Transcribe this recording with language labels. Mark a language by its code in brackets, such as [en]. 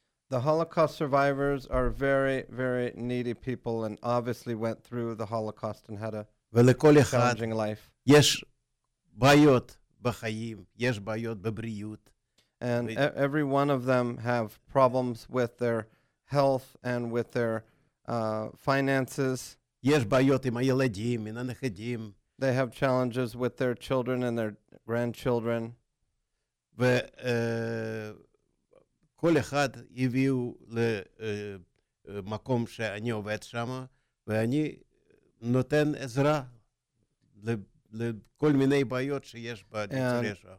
[en] The Holocaust survivors are very, very needy people and obviously went through the Holocaust and had a challenging life. [he] יש בעיות בחיים, יש בעיות בבריאות. [en] And every one of them have problems with their health and with their finances. [he] יש בעיות עם הילדים, עם הנכדים. [en] They have challenges with their children and their grandchildren. [he] כל אחד הביאו למקום שאני עובד שם, ואני נותן עזרה לכל מיני בעיות שיש בניצולי שואה.